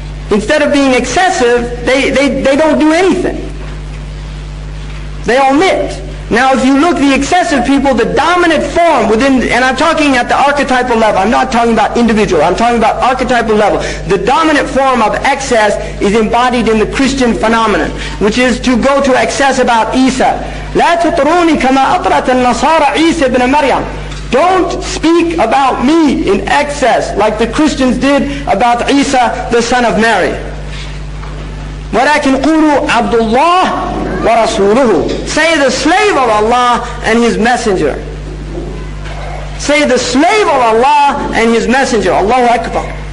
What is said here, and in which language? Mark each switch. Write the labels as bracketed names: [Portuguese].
[English] Instead of being excessive, they don't do anything. They omit. Now if you look, the excessive people, the dominant form within, and I'm talking at the archetypal level, I'm not talking about individual, I'm talking about archetypal level. The dominant form of excess is embodied in the Christian phenomenon, which is to go to excess about Isa. [Arabic] لَا تُطْرُونِ كَمَا أَطْرَتَ النَّصَارَ عِيسَى بْنَ مَرْيَمَ. [English] Don't speak about me in excess like the Christians did about Isa, the son of Mary. [Arabic] وَلَكِنْ قُولُوا عَبْدُ اللَّهِ وَرَسُولُهُ. [English] Say the slave of Allah and His Messenger. Say the slave of Allah and His Messenger. Allahu Akbar.